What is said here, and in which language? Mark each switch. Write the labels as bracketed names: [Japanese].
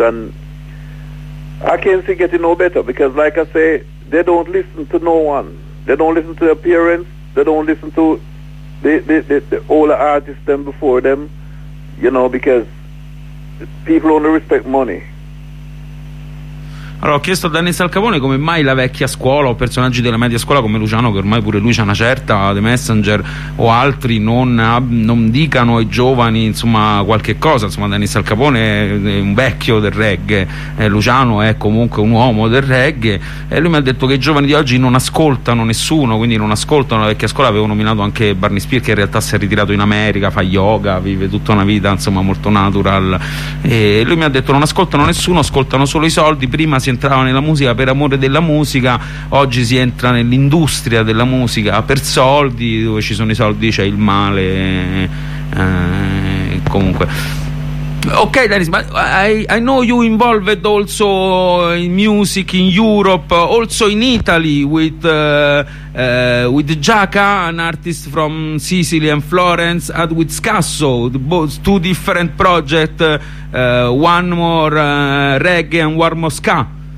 [English] And I can't see getting no better, because like I say, they don't listen to no one. They don't listen to their parents. They don't listen to the older artists them before them, you know, because people only respect money. [Italian] Allora, ho chiesto a Dennis Al Capone come mai la vecchia scuola o personaggi della media scuola come Luciano, che ormai pure lui c'ha una certa, The Messenger o altri, non dicano ai giovani insomma qualche cosa. Insomma, Dennis Al Capone è un vecchio del reggae, Luciano è comunque un uomo del reggae, e lui mi ha detto che i giovani di oggi non ascoltano nessuno, quindi non ascoltano la vecchia scuola. Avevo nominato anche Barney Spear, che in realtà si è ritirato in America, fa yoga, vive tutta una vita insomma molto natural, e lui mi ha detto non ascoltano nessuno, ascoltano solo i soldi. Prima si entrava nella musica per amore della musica, oggi si entra nell'industria della musica per soldi, dove ci sono i soldi c'è il male. Comunque, ok Dennis, ma [English] I know you involved also in music in Europe, also in Italy with Giaca, an artist from Sicily and Florence, and with Scasso, both two different projects, one more reggae and one more ska.